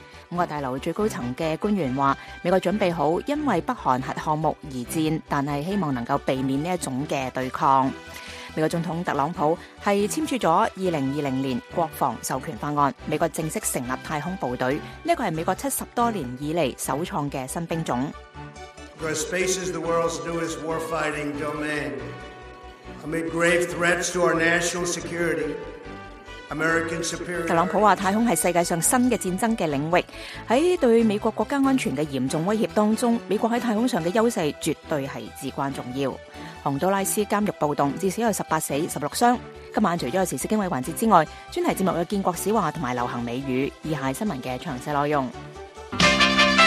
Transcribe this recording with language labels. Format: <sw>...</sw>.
<zh>五角大楼最高层的官员说，美国准备好因为北韩核项目而战，但是希望能够避免这种的对抗。美国总统特朗普是签署了2020年国防授权法案，美国正式成立太空部队，这个是美国70多年以来首创的新兵种。</zh> <en>Because space is the world's newest warfighting domain. Amid grave threats to our national security, American superiority.</en> <zh>特朗普说太空是世界上新的战争的领域，在对美国国家安全的严重威胁当中，美国在太空上的优势绝对是至关重要。洪都拉斯监狱暴动，至少有18死16伤。今晚除了有时事经纬环节之外，专题节目有建国史话和流行美语，以下新闻的详细内容。</zh>